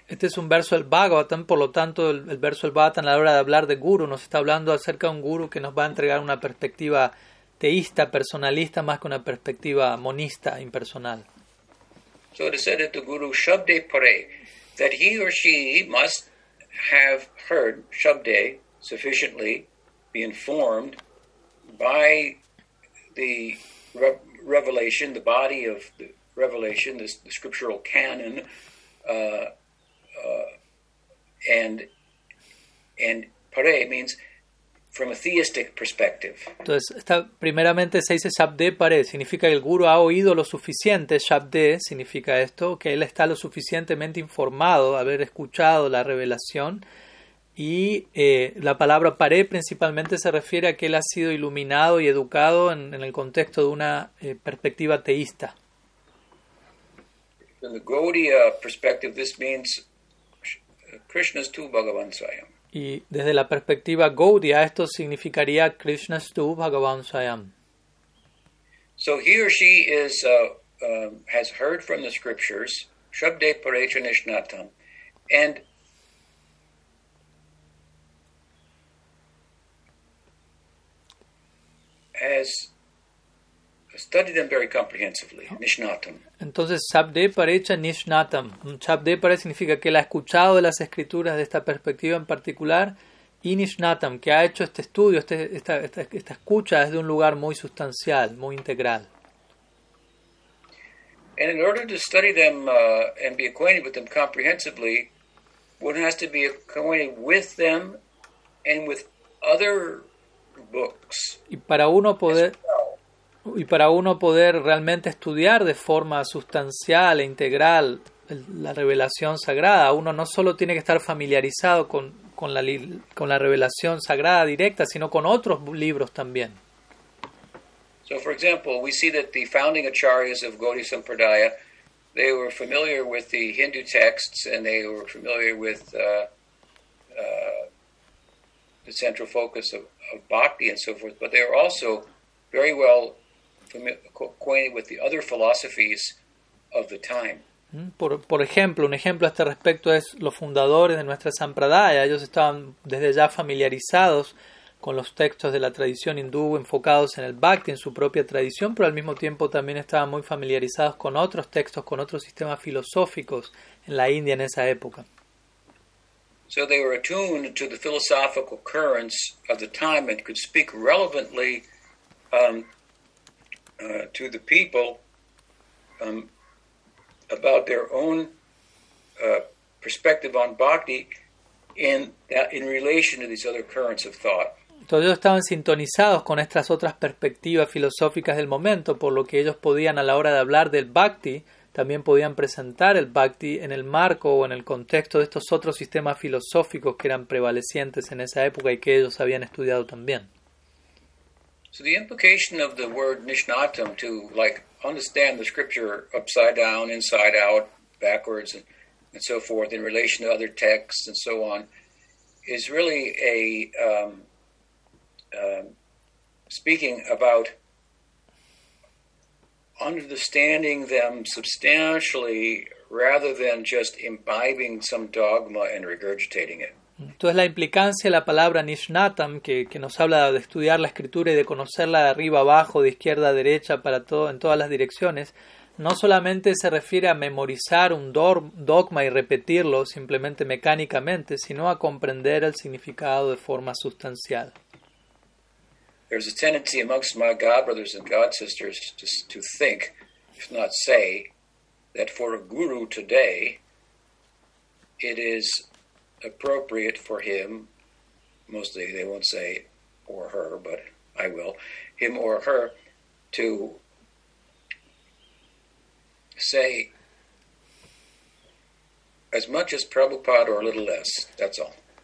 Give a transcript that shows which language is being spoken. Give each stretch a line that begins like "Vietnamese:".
Spanish: Este es un verso del Bhagavatam, por lo tanto el verso del Bhagavatam a la hora de hablar de guru nos está hablando acerca de un guru que nos va a entregar una perspectiva teísta, personalista, más que una perspectiva monista, impersonal.
English: So it is said that the guru shabde pare. that he or she must have heard Shabde sufficiently, be informed by the revelation, the body of the revelation, the scriptural canon, and pare means from a theistic perspective.
Spanish: Entonces, esta, primeramente se dice Shabde pare, significa que el guru ha oído lo suficiente. Shabde significa esto, que él está lo suficientemente informado, haber escuchado la revelación. Y la palabra pare principalmente se refiere a que él ha sido iluminado y educado en el contexto de una perspectiva teísta.
English: From the Gaudiya perspective, this means Krishna's
Sanskrit: tu Bhagavan Swayam.
Spanish: Y desde la perspectiva Gaudiya, esto significaría Krishna's
Sanskrit: tu Bhagavan Swayam.
English: So he or she is has heard from the scriptures,
Sanskrit: Shabde Parecha Nishnatam,
English: and has studied them very comprehensively, Nishnatam.
Sanskrit: Entonces, Shabde Parecha Nishnatam.
Spanish: Shabde Pare significa que él ha escuchado de las escrituras de esta perspectiva en particular, y Nishnatam, que ha hecho este estudio, esta escucha desde un lugar muy sustancial, muy integral.
English: And in order to study them and be acquainted with them comprehensively, one has to be acquainted with them and with other books.
Spanish: Y para uno poder realmente estudiar de forma sustancial e integral la revelación sagrada, uno no solo tiene que estar familiarizado con la revelación sagrada directa, sino con otros libros también.
English: So, for example, we see that the founding acharyas of Gaudiya Sampradaya, they were familiar with the Hindu texts and they were familiar with the central focus of bhakti and so forth, but they were also very well acquainted with the other philosophies of the time.
Spanish: Por ejemplo, un ejemplo a este respecto es los fundadores de nuestra Sampradaya. Ellos estaban desde ya familiarizados con los textos de la tradición hindú enfocados en el bhakti, en su propia tradición, pero al mismo tiempo también estaban muy familiarizados con otros textos, con otros sistemas filosóficos en la India en esa época.
English: So they were attuned to the philosophical currents of the time and could speak relevantly to the people about their own perspective on bhakti in relation to these other currents of thought.
Spanish: Todos ellos estaban sintonizados con estas otras perspectivas filosóficas del momento, por lo que ellos podían a la hora de hablar del bhakti también podían presentar el bhakti en el marco o en el contexto de estos otros sistemas filosóficos que eran prevalecientes en esa época y que ellos habían estudiado también.
English: So the implication of the word Nishnatam to, like, understand the scripture upside down, inside out, backwards, and so forth, in relation to other texts and so on, is really a speaking about understanding them substantially rather than just imbibing some dogma and regurgitating it.
Spanish: Entonces la implicancia de la palabra Nishnatam, que nos habla de estudiar la escritura y de conocerla de arriba abajo, de izquierda a derecha, para todo, en todas las direcciones, no solamente se refiere a memorizar un dogma y repetirlo simplemente mecánicamente, sino a comprender el significado de forma sustancial.
English: There's a tendency amongst my God brothers and God sisters to think, if not say, that for a guru today, it is appropriate for him, mostly they won't say or her, but I will, him or her, to say as much as Prabhupada or a little less, that's all.